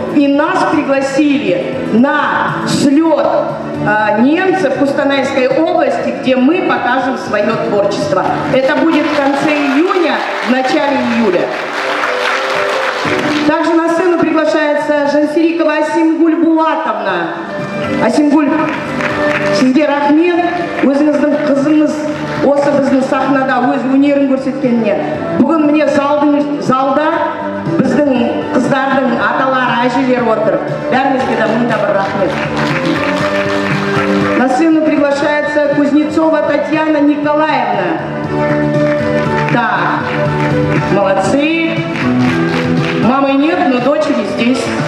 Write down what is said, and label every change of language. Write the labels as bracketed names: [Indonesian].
[Russian] И нас пригласили на слет немцев в Кустанайской области, где мы покажем свое творчество. Это будет в конце июня, в начале июля. Также на сцену приглашается Жансирикова Асимгуль Булатовна. [Kazakh] Асимгуль, сізге рахмет, өзіңіздің қызыңыз, осы біздің сахнада өз өнерін көрсеткеніне. Бүгін мне залда біздің қыздардың аталары, әжелері отыр. Бәрімізге да мұнда бір рахмет. [Russian] На сцену приглашается Кузнецова Татьяна Николаевна. Так, молодцы. Мамы нет, но дочери здесь.